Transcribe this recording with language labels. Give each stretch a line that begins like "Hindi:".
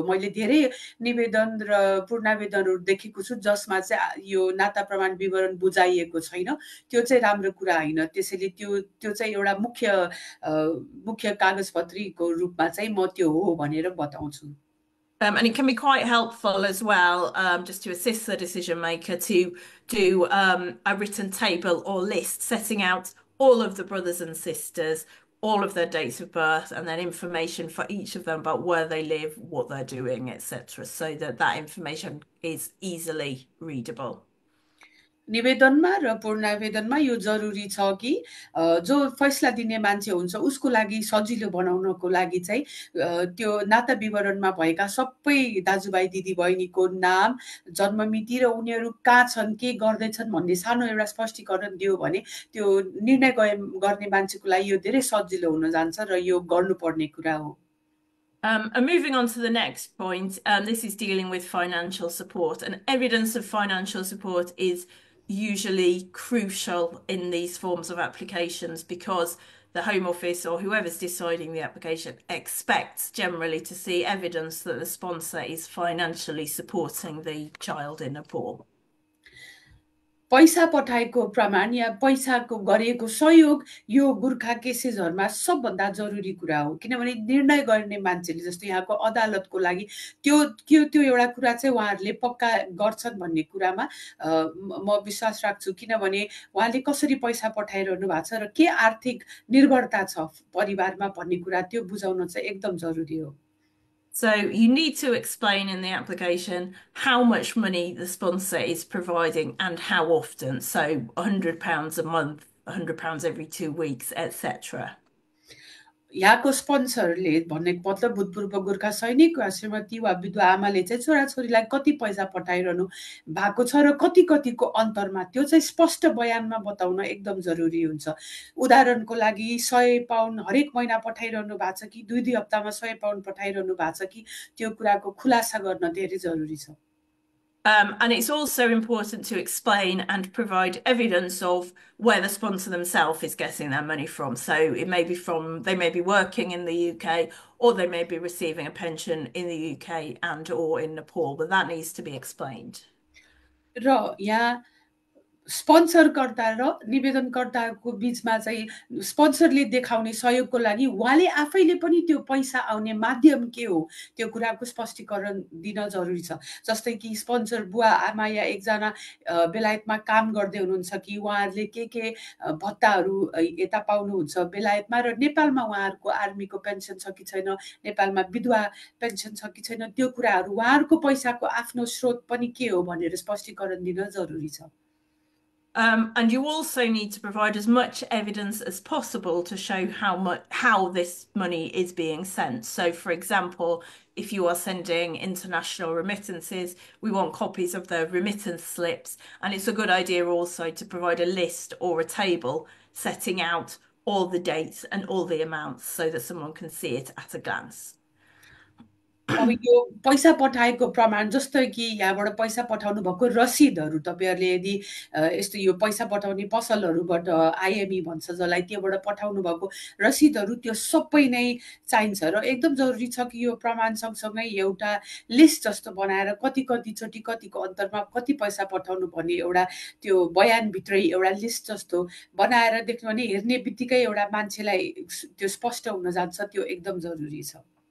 Nepali: मैले धेरै निवेदन र पूर्णावेदनहरू देखेको छु जसमा चाहिँ यो नाता प्रमाण विवरण बुझाइएको छैन, त्यो चाहिँ राम्रो कुरा होइन. त्यसैले त्यो चाहिँ एउटा मुख्य कागजपत्रीको रूपमा चाहिँ म त्यो हो भनेर बताउँछु.
English: And it can be quite helpful as well, just to assist the decision maker to do a written table or list setting out all of the brothers and sisters, all of their dates of birth, and then information for each of them about where they live, what they're doing, etc., so that that information is easily readable.
Nepali: निवेदनमा र पूर्णावेदनमा यो जरुरी छ कि जो फैसला दिने मान्छे हुन्छ उसको लागि सजिलो बनाउनको लागि चाहिँ त्यो नाता विवरणमा भएका सबै दाजुभाइ दिदीबहिनीको नाम जन्ममिति र उनीहरू कहाँ छन् के गर्दैछन् भन्ने सानो एउटा स्पष्टीकरण दियो भने त्यो निर्णय गर्ने मान्छेको लागि यो धेरै सजिलो हुन जान्छ र यो गर्नुपर्ने कुरा हो।
English: And moving on to the next point, this is dealing with financial support, and evidence of financial support is usually crucial in these forms of applications because the Home Office or whoever's deciding the application expects generally to see evidence that the sponsor is financially supporting the child in Nepal.
Nepali: पैसा पठाएको प्रमाण या पैसाको गरिएको सहयोग यो गुर्खा केसेसहरूमा सबभन्दा जरुरी कुरा हो किनभने निर्णय गर्ने मान्छेले जस्तो यहाँको अदालतको लागि त्यो के त्यो एउटा कुरा चाहिँ उहाँहरूले पक्का गर्छन् भन्ने कुरामा म विश्वास राख्छु किनभने उहाँले कसरी पैसा पठाइरहनु भएको छ र के आर्थिक निर्भरता छ परिवारमा भन्ने कुरा त्यो बुझाउन चाहिँ एकदम जरुरी हो।
English: So you need to explain in the application how much money the sponsor is providing and how often. So £100 a month, £100 every 2 weeks, etc.
Nepali: यहाँको स्पोन्सरले भन्ने मतलब भूतपूर्व गोर्खा सैनिक वा श्रीमती वा विधवा आमाले चाहिँ छोराछोरीलाई कति पैसा पठाइरहनु भएको छ र कति कतिको अन्तरमा त्यो चाहिँ स्पष्ट बयानमा बताउन एकदम जरुरी हुन्छ। उदाहरणको लागि 100 पाउन्ड हरेक महिना पठाइरहनु भएको छ कि दुई दुई हप्तामा 100 पाउन्ड पठाइरहनु भएको छ कि त्यो कुराको खुलासा गर्न धेरै जरुरी छ।
English: And it's also important to explain and provide evidence of where the sponsor themselves is getting their money from. So it may be from, they may be working in the UK or they may be receiving a pension in the UK and or in Nepal, but that needs to be explained.
Nepali: र यहाँ स्पोन्सरकर्ता र निवेदनकर्ताको बिचमा चाहिँ स्पोन्सरले देखाउने सहयोगको लागि उहाँले आफैले पनि त्यो पैसा आउने माध्यम के हो त्यो कुराको स्पष्टीकरण दिन जरुरी छ। जस्तै कि स्पोन्सर बुवा आमा या एकजना बेलायतमा काम गर्दै हुनुहुन्छ कि उहाँहरूले के भत्ताहरू यता पाउनुहुन्छ बेलायतमा र नेपालमा उहाँहरूको आर्मीको पेन्सन छ कि छैन नेपालमा विधवा पेन्सन छ कि छैन त्यो कुराहरू उहाँहरूको पैसाको आफ्नो स्रोत पनि के हो भनेर स्पष्टीकरण दिन जरुरी छ।
English: And you also need to provide as much evidence as possible to show how this money is being sent. So, for example, if you are sending international remittances, we want copies of the remittance slips. And it's a good idea also to provide a list or a table setting out all the dates and all the amounts so that someone can see it at a glance.
Nepali: अब यो पैसा पठाएको प्रमाण जस्तै कि यहाँबाट पैसा पठाउनु भएको रसिदहरू तपाईँहरूले यदि यस्तो यो पैसा पठाउने पसलहरूबाट आइएमई भन्छ जसलाई त्योबाट पठाउनु भएको रसिदहरू त्यो सबै नै चाहिन्छ र एकदम जरुरी छ कि यो प्रमाण सँगसँगै एउटा लिस्ट जस्तो बनाएर कति कति चोटि कतिको अन्तरमा कति पैसा पठाउनु भन्ने एउटा त्यो बयानभित्रै एउटा लिस्ट जस्तो बनाएर देख्नु भने हेर्ने बित्तिकै एउटा मान्छेलाई त्यो स्पष्ट हुन जान्छ त्यो एकदम जरुरी छ।